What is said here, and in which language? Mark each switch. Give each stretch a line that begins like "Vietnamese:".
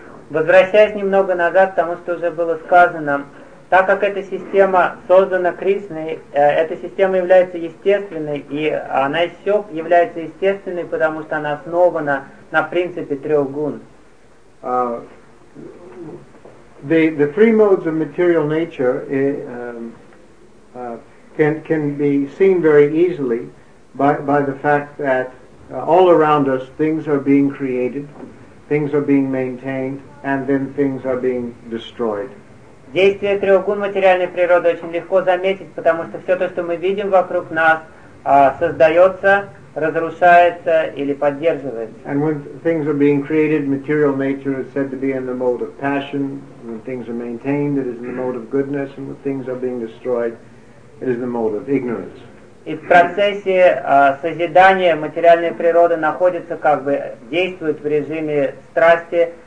Russian: Возвращаясь немного назад, потому что уже было сказано. Так как эта система создана Кришной, эта система является естественной, и она еще является естественной, потому что она основана на принципе трех гун.
English: The three modes of material nature can be seen very easily by the fact that all around us things are being created, things are being maintained, and then things are being destroyed.
Russian: Действие трёхгун материальной природы очень легко заметить, потому что всё то, что мы видим вокруг нас, создаётся, разрушается или поддерживается.
English: And when things are being created, material nature is said to be in the mode of passion. When things are maintained, it is in the mode of goodness. And when things are being destroyed, it is in the mode of ignorance.
Russian: И в процессе созидания материальной природы находится, как бы действует в режиме страсти.